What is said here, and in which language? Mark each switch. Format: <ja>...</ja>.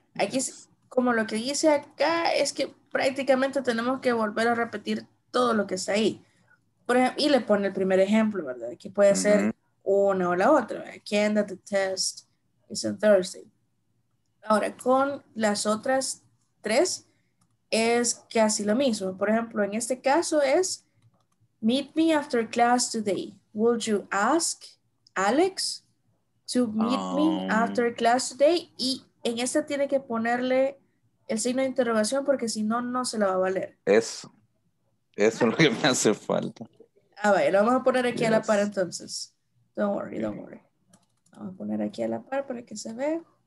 <es>Aquí, como lo que dice acá, es que prácticamente tenemos que volver a repetir todo lo que está ahí. Por ejemplo, y le pone el primer ejemplo, ¿verdad? Que puede ser una o la otra.</es> <en>Can that the test is on Thursday.</en> <es>Ahora, con las otras tres, es casi lo mismo. Por ejemplo, en este caso es,</es> <en>meet me after class today. Would you ask Alex to meet me after class today?</en> <es>Y en esta tiene que ponerle el signo de interrogación porque si no, no se la va a valer. Eso es lo que me hace falta. A ver, lo vamos a poner aquí a la par entonces.</es> <en>Don't worry, don't worry.</en> <es>Vamos a poner aquí a la par para que se vea.</es>